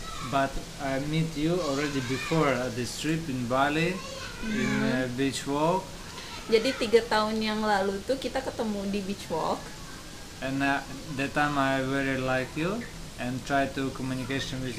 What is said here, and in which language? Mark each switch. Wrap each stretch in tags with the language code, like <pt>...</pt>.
<en>but I meet you already before this trip in Bali in beach walk.</en> <id>Jadi 3 tahun yang lalu tuh kita ketemu di beach walk.</id> <en>And that time I very like you and try to communication with</en>